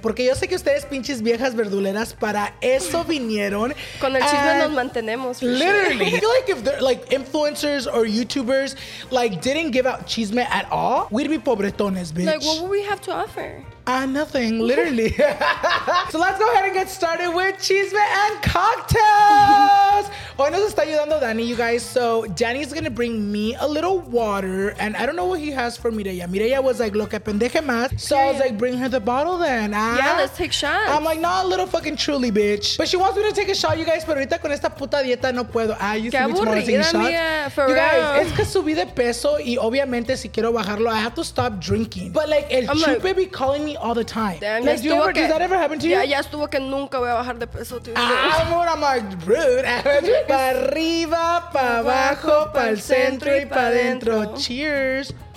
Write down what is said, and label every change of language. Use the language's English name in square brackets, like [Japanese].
[Spanish] Porque yo sé que ustedes pinches viejas verduleras para eso vinieron. Con el chisme nos mantenemos. [English] Literally. I feel like if they're like influencers or YouTubers like didn't give out chisme at all, we'd be pobretones, bitch. Like, what would we have to offer? Nothing, literally. So let's go ahead and get started with chisme and cocktails. [Spanish] Hoy nos está ayudando [English] Danny, you guys. So Danny's gonna bring me a little water and I don't know what he has for Mireya. Mireya was like, [Spanish] lo que pendeje más. [English] So I was like, bring her the bottle then. Yeah, let's take shots. I'm like, not a little fucking truly, bitch. But she wants me to take a shot, you guys. [Spanish] Pero ahorita con esta puta dieta no puedo. [English] You see me tomorrow taking shots. Mía, for you real. [Spanish] Guys, es que subí de peso y obviamente si quiero bajarlo, [English] I have to stop drinking. But like, el I'm chupe like, be calling me all the time. Damn, like, does that ever happen to you? [Spanish] Ya estuvo que nunca voy a bajar de peso. [English] I'm like, rude. [Spanish] Pa' arriba, pa' abajo, pa' el centro y pa' dentro. Cheers.